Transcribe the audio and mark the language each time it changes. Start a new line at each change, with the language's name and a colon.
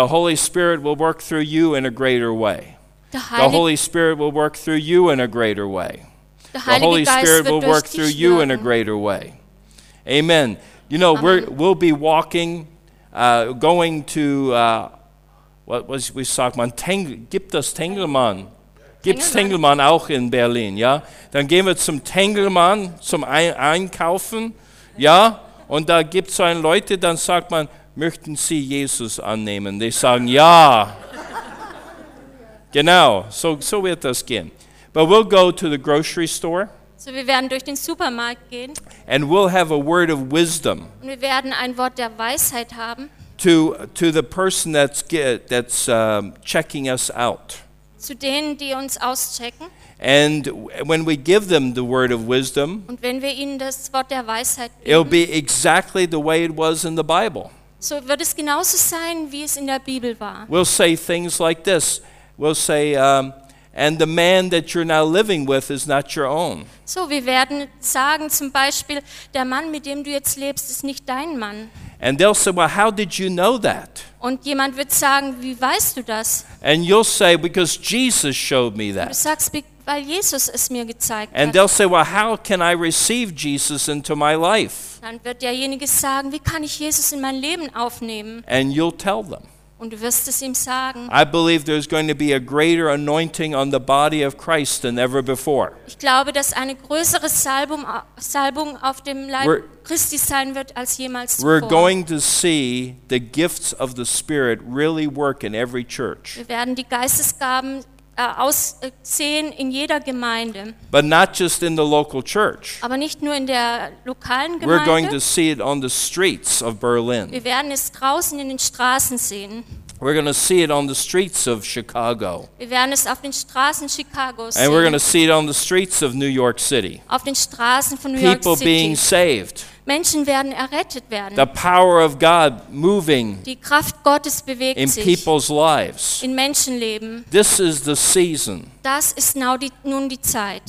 English: The Holy Spirit will work through you in a greater way. The Holy Spirit will work through you in a greater way. The Holy Spirit will work through you in a greater way. Amen. You know, we'll be walking, going to, what was we talking about?
German: Gibt es Tengelmann? Gibt es Tengelmann auch in Berlin, ja? Dann gehen wir zum Tengelmann, zum Einkaufen, ja? Und da gibt es so ein Leute, dann sagt man, möchten Sie Jesus annehmen? Die sagen, ja. Genau, so wird das gehen.
English: But we'll go to the grocery store.
German: So wir werden durch den Supermarkt gehen.
English: And we'll have a word of wisdom.
German: Und wir werden ein Wort der Weisheit haben.
English: To the person that's checking us out.
German: Zu denen, die uns auschecken.
English: And when we give them the word of wisdom,
German: und wenn wir ihnen das Wort der Weisheit geben,
English: it'll be exactly the way it was in the Bible.
German: So wird es genauso sein, wie es in der Bibel war.
English: We'll say things like this. We'll say, and the man that you're now living with is not your own.
German: So wir werden sagen, zum Beispiel, der Mann, mit dem du jetzt lebst, ist nicht dein Mann.
English: And they'll say, well, how did you know that?
German: Und jemand wird sagen, wie weißt du das?
English: And you'll say, because Jesus showed me that.
German: Du sagst, weil Jesus es mir gezeigt
English: hat. And they'll say, well, how can I receive Jesus into my life?
German: Dann wird derjenige sagen, wie kann ich Jesus in mein Leben aufnehmen?
English: And you'll tell them.
German: Und du wirst es ihm sagen.
English: I believe there's going to be a greater anointing on the body of Christ than ever before.
German: Ich glaube, dass eine größere Salbung auf dem Leib Christi sein wird als jemals zuvor.
English: We're going to see the gifts of the Spirit really work in every church.
German: Wir werden die Geistesgaben sehen in jeder Gemeinde.
English: But not just in the local church.
German: Aber nicht nur in der lokalen Gemeinde.
English: We're going to see it on the streets of Berlin.
German: Wir werden es draußen in den Straßen sehen.
English: We're going to see it on the streets of Chicago.
German: Wir werden es auf den Straßen Chicagos sehen.
English: And we're going to see it on the streets of New York City.
German: Auf den Straßen von New York City.
English: People being saved.
German: Menschen werden errettet werden.
English: The power of God moving.
German: Die Kraft Gottes bewegt sich.
English: In people's lives.
German: In Menschenleben.
English: This is the season.
German: Das ist now nun die Zeit.